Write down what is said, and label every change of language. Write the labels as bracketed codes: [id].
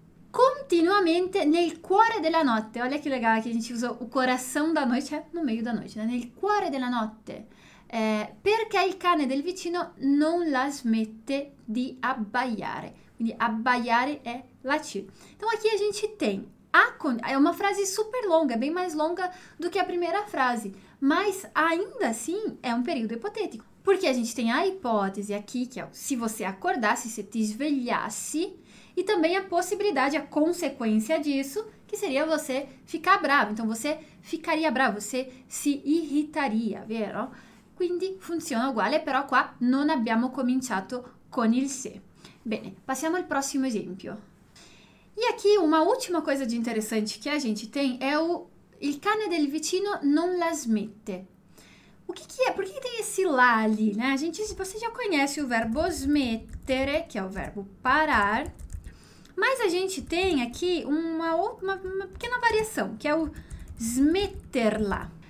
[it] Continuamente nel cuore della notte. [pt] Olha che legal che a gente usa o coração da noite, cioè no meio da noite, né? [it] Nel cuore della notte. Perché il cane del vicino non la smette di abbaiare. Quindi abbaiare è latir. [pt] Então aqui a gente tem é uma frase super longa, bem mais longa do que a primeira frase, mas ainda assim é um período hipotético. Porque a gente tem a hipótese aqui, que é se você acordasse, [it] se te svegliasse, [pt] e também a possibilidade, a consequência disso, que seria você ficar bravo. Então você ficaria bravo, você se irritaria, vero? [it] Quindi funziona uguale, però qua non abbiamo cominciato con il se. Bene, passiamo al prossimo esempio. [pt] E aqui uma última coisa de interessante que a gente tem é [it] il cane del vicino non la smette. [pt] O que que é? Por que tem esse la ali, né? Você já conhece o verbo smettere, que é o verbo parar, mas a gente tem aqui uma pequena variação, que é o smetterla.